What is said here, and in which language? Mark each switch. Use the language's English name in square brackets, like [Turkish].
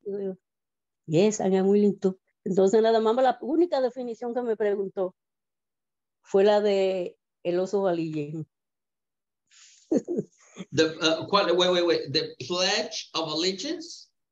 [Spanish] Y yo, [English] yes, and I'm willing to. [Spanish] Entonces nada más la única definición que me preguntó fue la de el oso valillén. [English] The Pledge of Allegiance?